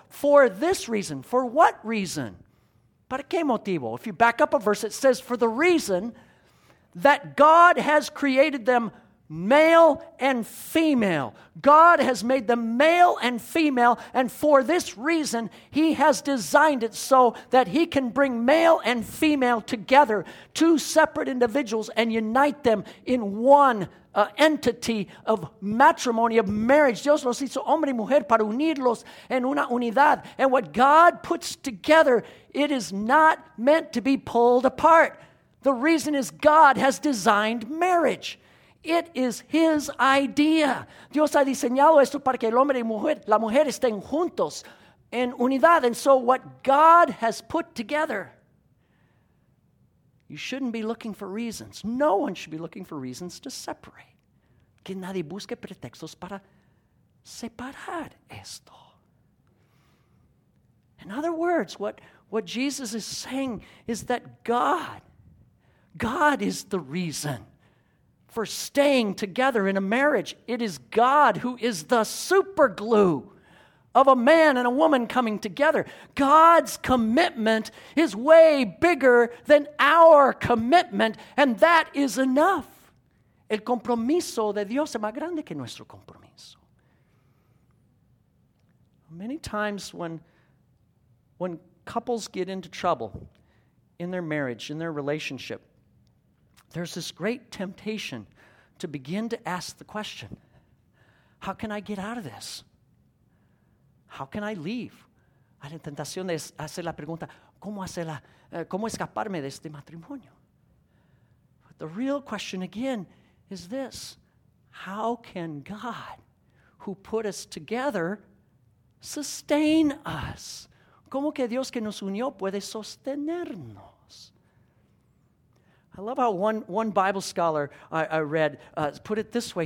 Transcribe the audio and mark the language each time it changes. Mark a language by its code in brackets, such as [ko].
[en] For this reason, for what reason? [es] ¿Para qué motivo? [en] If you back up a verse, it says, for the reason that God has created them male and female. God has made them male and female, and for this reason, he has designed it so that he can bring male and female together, two separate individuals, and unite them in one entity of matrimony, of marriage. [es] Dios los hizo hombre y mujer para unirlos en una unidad. [en] And what God puts together, it is not meant to be pulled apart. The reason is God has designed marriage. It is his idea. [es] Dios ha diseñado esto para que el hombre y mujer, la mujer estén juntos en unidad. [en] And so what God has put together, you shouldn't be looking for reasons. No one should be looking for reasons to separate. [es] Que nadie busque pretextos para separar esto. [en] In other words, what Jesus is saying is that God is the reason for staying together in a marriage. It is God who is the super glue of a man and a woman coming together. God's commitment is way bigger than our commitment, and that is enough. [es] El compromiso de Dios es más grande que nuestro compromiso. [en] Many times when couples get into trouble in their marriage, in their relationship, there's this great temptation to begin to ask the question, how can I get out of this? How can I leave? [es] Hay la tentación de hacer la pregunta, ¿cómo escaparme de este matrimonio? [en] But the real question again is this, how can God, who put us together, sustain us? [es] ¿Cómo que Dios que nos unió puede sostenernos? [en] I love how one Bible scholar I read put it this way.